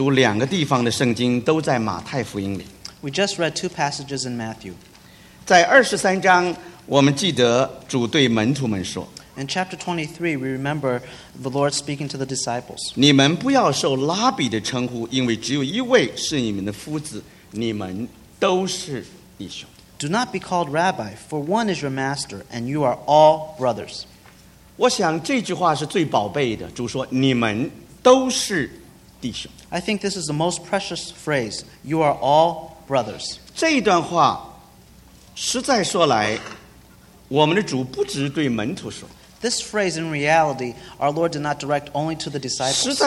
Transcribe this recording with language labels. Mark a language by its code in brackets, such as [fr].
[zh] 刚才我们读两个地方的圣经都在马太福音里。 [en] We just read two passages in Matthew. [zh] 在23章, 我们记得主对门徒们说, [en] In chapter 23, we remember the Lord speaking to the disciples. [zh] 你们不要受拉比的称呼, 因为只有一位是你们的夫子, 你们都是弟兄。 [en] Do not be called rabbi, for one is your master, and you are all brothers. [zh] 我想这句话是最宝贝的, 主说, 你们都是弟兄。 [en] I think this is the most precious phrase, you are all brothers. [zh] 这一段话, 实在说来，我们的主不只对门徒说。 [en] This phrase in reality, our Lord did not direct only to the disciples.